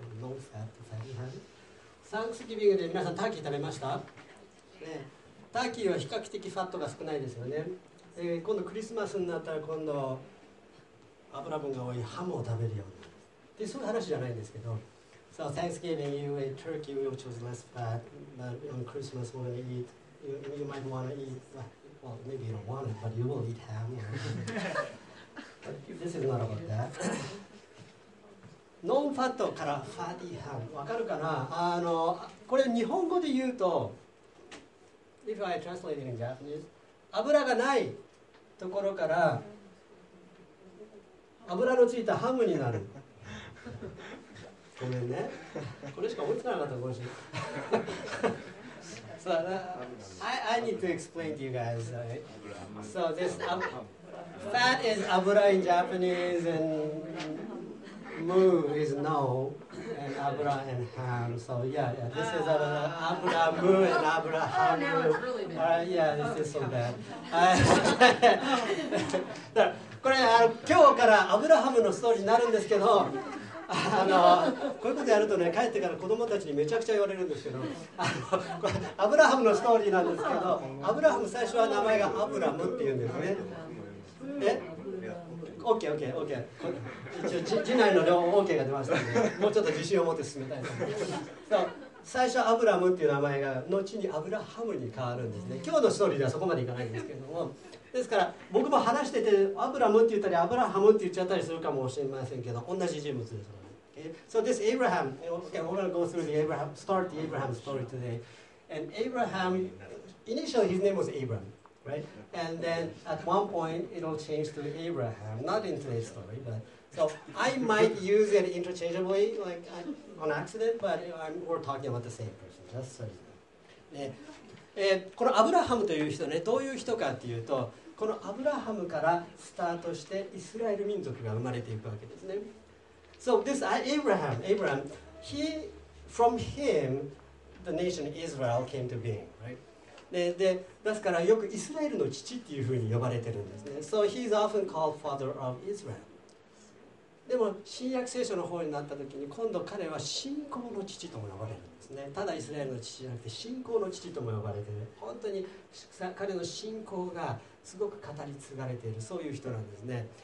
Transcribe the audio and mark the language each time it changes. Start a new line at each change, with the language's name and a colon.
Japanese: ノンファット、ファリーハム。サンクスギビングで皆さんターキー食べました？ね、ターキーは比較的ファットが少ないですよね。今度クリスマスになったら、今度脂分が多いハムを食べるようになる。で、そういう話じゃないんですけど。
English: So Thanksgiving, you ate turkey, we chose less fat, but on Christmas we're gonna eat. You might want to eat. Well, maybe you don't want it, but you will eat ham. But this is not about that.
Japanese: ノンファットからファディハム、わかるかな？これ日本語で言うと、
English: If I translate it in Japanese,
Japanese: 油がないところから油のついたハムになる。ごめんね。これしか思いつかなかったかもしれない。
English: So, I need to explain to you guys. So this fat is 油 in Japanese, and mu is no, and 油 and ham. So yeah, this is 油 mu and 油 ham. Oh, now it's really bad. Yeah, this is so bad.
Japanese: これ今日からアブラハムのストーリーになるんですけど。こういうことやるとね、帰ってから子供たちにめちゃくちゃ言われるんですけど、これアブラハムのストーリーなんですけど、アブラハム最初は名前がアブラムっていうんですね。え？オッケーオッケーオッケー。次男の量オッケーが出ましたので、もうちょっと自信を持って進めたいと思います。最初アブラムっていう名前が後にアブラハムに変わるんですね。今日のストーリーではそこまでいかないんですけども、ですから僕も話しててアブラムって言ったりアブラハムって言っちゃったりするかもしれませんけど、同じ人物です。
English: Okay. So this Abraham, okay, we're gonna go through the Abraham, start the Abraham story today. And Abraham, initially his name was Abram, right? And then at one point it'll change to Abraham, not in today's story, but so I might use it interchangeably, like on accident, but we're talking about the same person. That's so you know.
Japanese: このアブラハムという人ね、どういう人かっていうと、このアブラハムからスタートしてイスラエル民族が生まれていくわけですね。
English: So this Abraham, Abraham, he, from him, the nation Israel came to being, right?
Japanese: で、ですからよくイスラエルの父っていうふうに呼ばれてるんですね。
English: So he's often called father of Israel.
Japanese: でも新約聖書の方になった時に、今度彼は信仰の父とも呼ばれる。ただイスラエルの父じゃなくて信仰の父とも呼ばれている。本当に彼の信仰がすごく語り継がれている、そういう人なんですね。